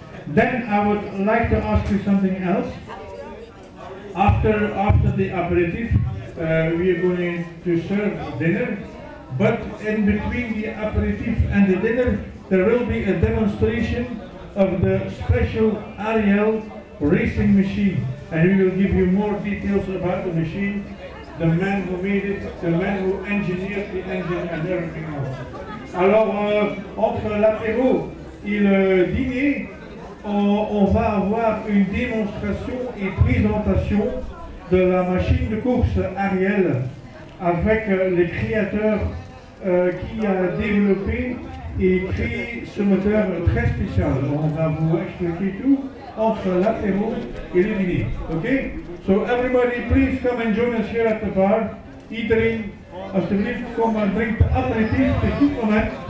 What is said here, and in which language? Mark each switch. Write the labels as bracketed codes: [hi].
[en] Then I would like to ask you something else. After the aperitif, we are going to serve dinner, but in between the aperitif and the dinner, there will be a demonstration of the special Ariel racing machine. And we will give you more details about the machine, the man who made it, the man who engineered the engine and everything else. [fr] Alors, entre l'apéro et le dîner, on va avoir une démonstration et présentation de la machine de course Ariel avec le créateur qui a développé et créé ce moteur très spécial. On va vous expliquer tout. Entre l'apéro et le dîner. Ok? [en] So everybody, please come and join us here at the bar. [nl] Iedereen, alsjeblieft, kom en drink de aperitief. Het is goed moment.